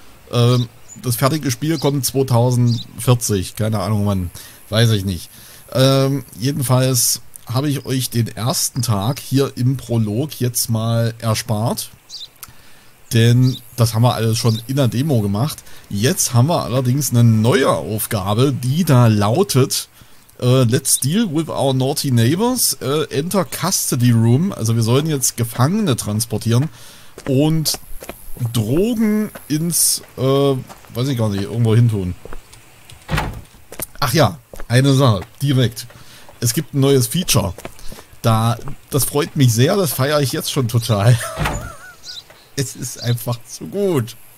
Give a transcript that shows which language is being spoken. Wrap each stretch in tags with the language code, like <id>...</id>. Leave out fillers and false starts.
<de>Das fertige Spiel kommt 2040. Keine Ahnung, wann. Weiß ich nicht. Jedenfalls habe ich euch den ersten Tag hier im Prolog jetzt mal erspart. Denn das haben wir alles schon in der Demo gemacht. Jetzt haben wir allerdings eine neue Aufgabe, die da lautet...</de> <en>Let's deal with our naughty neighbors. Enter custody room.</en> <de>Also wir sollen jetzt Gefangene transportieren und Drogen ins, weiß ich gar nicht, irgendwo hin tun. Ach ja, eine Sache, direkt. Es gibt ein neues Feature. Das freut mich sehr, das feiere ich jetzt schon total. Es ist einfach zu gut.</de>